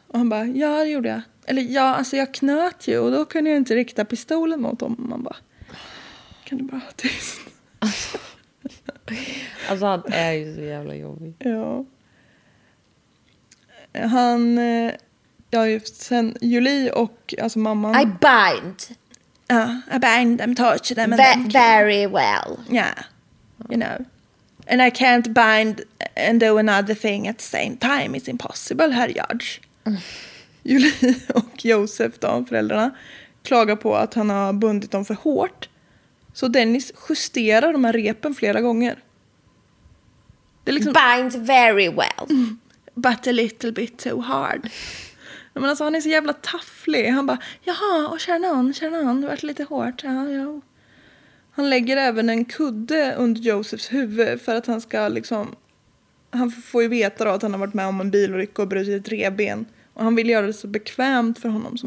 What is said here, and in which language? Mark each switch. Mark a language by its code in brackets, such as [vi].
[sv] Och han bara, ja, det gjorde jag. Eller, ja, alltså jag knöt ju och då kunde jag inte rikta pistolen mot dem. Man bara, kan du bara ha tyst? Alltså han är ju så jävla jobbig. Ja. Han... Ja, sen Julie och alltså mamman... [en] I bind. Ja, I bind them, torture them. Very well. Yeah, you know. And I can't bind and do another thing at the same time. It's impossible, herr judge. Mm. [sv] Julie och Josef, de föräldrarna, klagar på att han har bundit dem för hårt. Så Dennis justerar de här repen flera gånger. Det liksom... [en] Bind very well. but a little bit too hard. [sv] Men alltså, han är så jävla tafflig. Han bara, jaha, och kärnan, det har varit lite hårt. Ja. Han lägger även en kudde under Josephs huvud för att han ska liksom... Han får ju veta då att han har varit med om en bilolycka och brutit ett revben. Och han vill göra det så bekvämt för honom som